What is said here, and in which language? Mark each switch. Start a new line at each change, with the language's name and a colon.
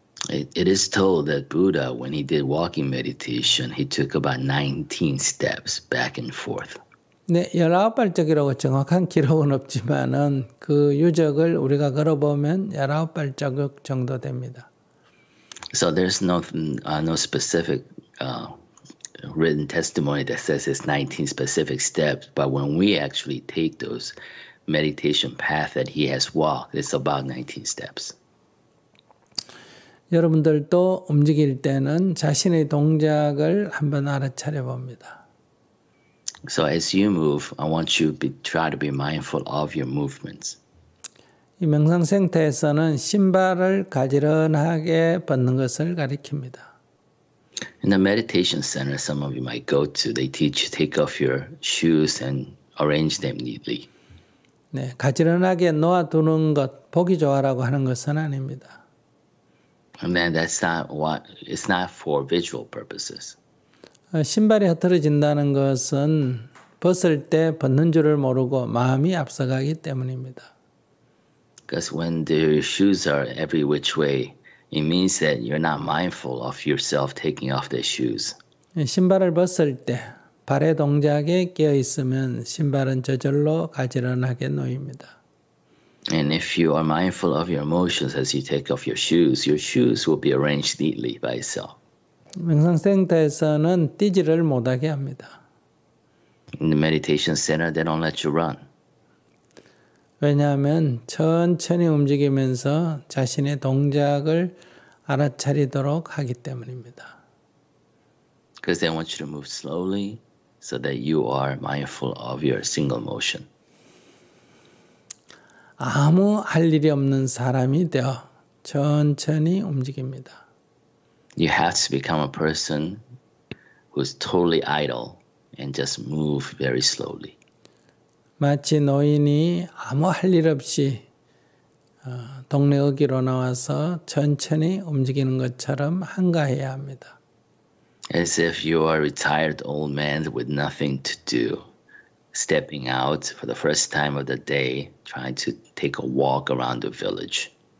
English: It is told that Buddha, when he did walking meditation, he took about 19 steps back and forth.
Korean: 네, 19발자국이라고 정확한 기록은 없지만은 그 유적을 우리가 걸어보면 19발자국 정도 됩니다.
English: So there's no specific written testimony that says it's 19 specific steps, but when we actually take those meditation path that he has walked, it's about 19 steps.
Korean: 여러분들도 움직일 때는 자신의 동작을 한번 알아차려 봅니다.
English: So as you move, I want you to try to be mindful of your movements.
Korean: 이 명상 생태에서는 신발을 가지런하게 벗는 것을 가리킵니다.
English: In the meditation center some of you might go to, they teach you to take off your shoes and arrange them neatly.
Korean: 네, 가지런하게 놓아두는 것, 보기 좋아라고 하는 것은 아닙니다.
English: And then that's not what, it's not for visual purposes.
Korean: 신발이 흐트러진다는 것은 벗을 때 벗는 줄을 모르고 마음이 앞서가기 때문입니다.
English: Because when the shoes are every which way, it means that you're not mindful of yourself taking off the shoes.
Korean: 신발을 벗을 때 발의 동작에 깨어 있으면 신발은 저절로 가지런하게 놓입니다.
English: And if you are mindful of your emotions as you take off your shoes will be arranged neatly by itself.
Korean: 명상 생태에서는 뛰지를 못하게 합니다.
English: In the meditation center, they don't let you run.
Korean: 왜냐하면 천천히 움직이면서 자신의 동작을 알아차리도록 하기 때문입니다.
English: Because they want you to move slowly so that you are mindful of your single motion.
Korean: 아무 할 일이 없는 사람이 되어 천천히 움직입니다.
English: You have to become a person who's totally idle and just move very slowly.
Korean: 마치 노인이 아무 할 일 없이 동네 어귀로 나와서 천천히 움직이는 것처럼 한가해야 합니다.
English: As if you are a retired old man with nothing to do. Stepping out for the first time of the day, trying to take a walk around the village.